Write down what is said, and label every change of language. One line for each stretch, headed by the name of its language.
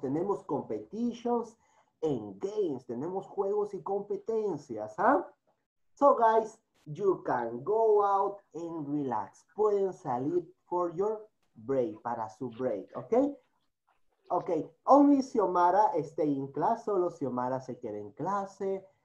Spanish: Tenemos
English: competitions and games.
Spanish: Tenemos juegos y competencias, ¿ah?
English: So, guys, you can go out and relax.
Spanish: Pueden salir
English: for your break,
Spanish: para su break, ¿ok?
English: Ok, only Xiomara stay in class.
Spanish: Solo Xiomara se queda en clase.